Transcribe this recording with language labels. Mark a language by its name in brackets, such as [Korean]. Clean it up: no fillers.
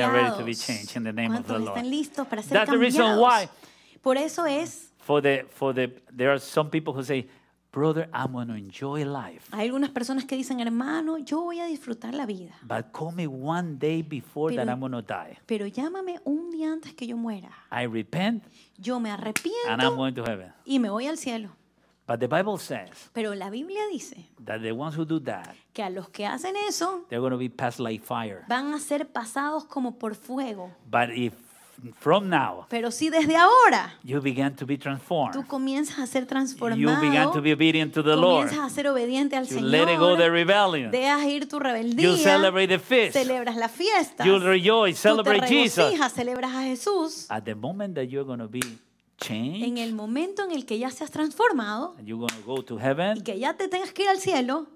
[English] How many are ready to be changed in the name of the Lord? [Spanish] ¿Cuántos están listos para ser cambiados? [English] That's the reason why. [Spanish] Por eso es. [English] For the there are some people who say, brother, I'm going to enjoy life. [Spanish] Hay algunas personas que dicen, hermano, yo voy a disfrutar la vida. [English] But call me one day before that I'm going to die. [Spanish] Pero llámame un día antes que yo muera. [English] I repent. [Spanish] Yo me arrepiento. [English] And I'm going to heaven. [Spanish] Y me voy al cielo. [English] But the Bible says. [Spanish] Pero la Biblia dice. [English] That the ones who do that. [Spanish] Que a los que hacen eso. [English] They're going to be passed like fire. [Spanish] Van a ser pasados como por fuego. [English] But if from now, [Spanish] pero si desde ahora, [English] you began to be transformed. [Spanish] Tú comienzas a ser transformado. [English] You began to be obedient to the Lord. [Spanish] Comienzas a ser obediente al [English] you [Spanish] Señor. [English] Let it go the rebellion. [Spanish] Dejas ir tu rebeldía. [English] You celebrate the feast. [Spanish] Celebras la fiesta. [English] You rejoice, celebrate Jesus. [Spanish] Tú te regocijas, celebras a Jesús. [English] At the moment that you're going to be changed, [Spanish] en el momento en el que ya seas transformado, [English] and you're going to go to heaven, [Spanish] y que ya te tengas que ir al cielo,